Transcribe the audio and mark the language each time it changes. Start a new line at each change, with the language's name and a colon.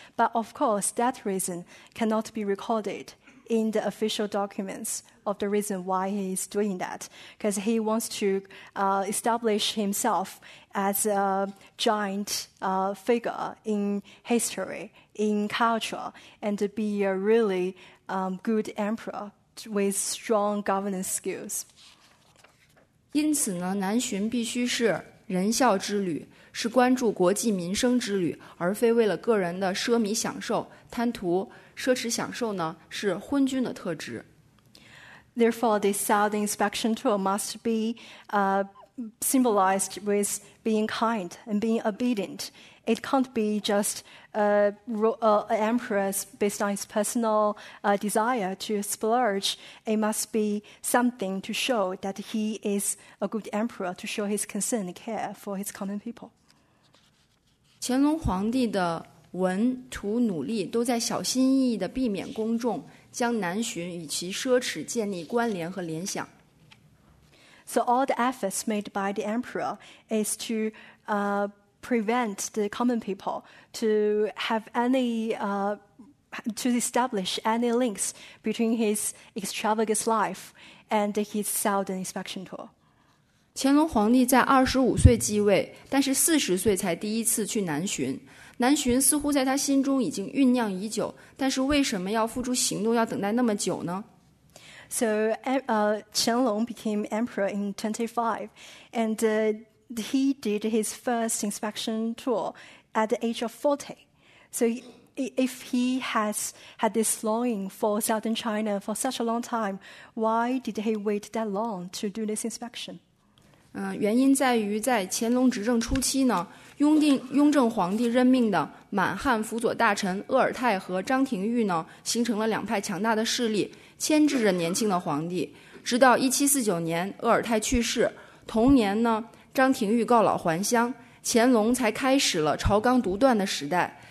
English: But of course, that reason cannot be recorded in the official documents of the reason why he is doing that, because he wants to establish himself as a giant figure in history, in culture, and to be a really good emperor with strong governance skills.
Chinese: 因此呢，南巡必须是仁孝之旅，是关注国计民生之旅，而非为了个人的奢靡享受。贪图奢侈享受呢，是昏君的特质。
English: Therefore, the Saudi inspection tour must be symbolized with being kind and being obedient. It can't be just an emperor's based on his personal desire to splurge. It must be something to show that he is a good emperor, to show his concern and care for his common people.
Chinese: 乾隆皇帝的文图努力都在小心翼翼地避免公众将南巡与其奢侈建立关联和联想。
English: So all the efforts made by the emperor is to prevent the common people to have any, to establish any links between his extravagant life and his southern inspection tour.
Chinese: 乾隆皇帝在25岁继位，但是40岁才第一次去南巡。南巡似乎在他心中已经酝酿已久，但是为什么要付诸行动，要等待那么久呢？
English: So, Qianlong became emperor in 25, and he did his first inspection tour at the age of 40. So, if he has had this longing for southern China for such a long time, why did he wait that long to do this inspection?
Chinese: 原因在于在乾隆执政初期呢，雍正皇帝任命的满汉辅佐大臣鄂尔泰和张廷玉呢，形成了两派强大的势力，牵制着年轻的皇帝。直到1749年鄂尔泰去世，同年呢，张廷玉告老还乡，乾隆才开始了朝纲独断的时代。